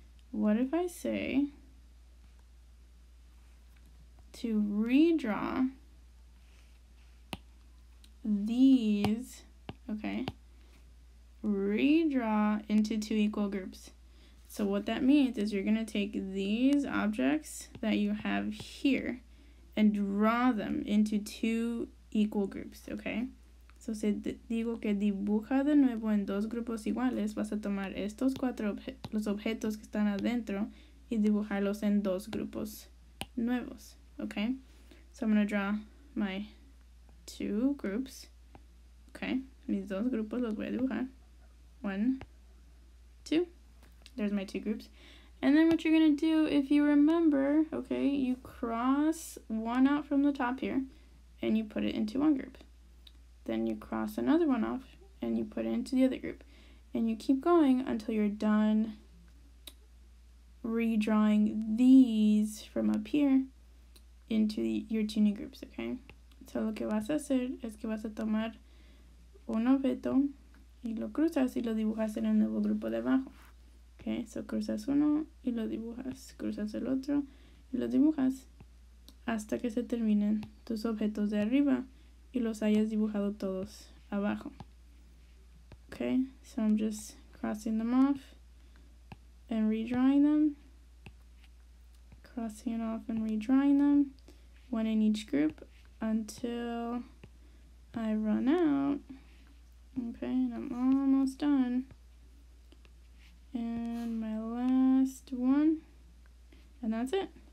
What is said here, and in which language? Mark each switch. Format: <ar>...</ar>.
<en>What if I say to redraw these, okay, redraw into two equal groups. So what that means is you're going to take these objects that you have here and draw them into two equal groups, okay?</en> <es>So si digo que dibuja de nuevo en dos grupos iguales, vas a tomar estos cuatro los objetos que están adentro y dibujarlos en dos grupos nuevos, okay?</es> <en>So I'm going to draw my two groups, okay?</en> <es>Mis dos grupos los voy a dibujar.</es> <en>1, 2. There's my two groups. And then what you're going to do, if you remember, okay, you cross one out from the top here and you put it into one group. Then you cross another one off and you put it into the other group. And you keep going until you're done redrawing these from up here into your two new groups, okay?</en> <es>So lo que vas a hacer es que vas a tomar un objeto y lo cruzas y lo dibujas en el nuevo grupo de abajo. Okay, so cruzas uno y lo dibujas, cruzas el otro y lo dibujas hasta que se terminen tus objetos de arriba y los hayas dibujado todos abajo.</es> <en>Okay, so I'm just crossing them off and redrawing them. Crossing it off and redrawing them. One in each group until I run out. Okay, and I'm almost done. And my last one, and that's it.</en>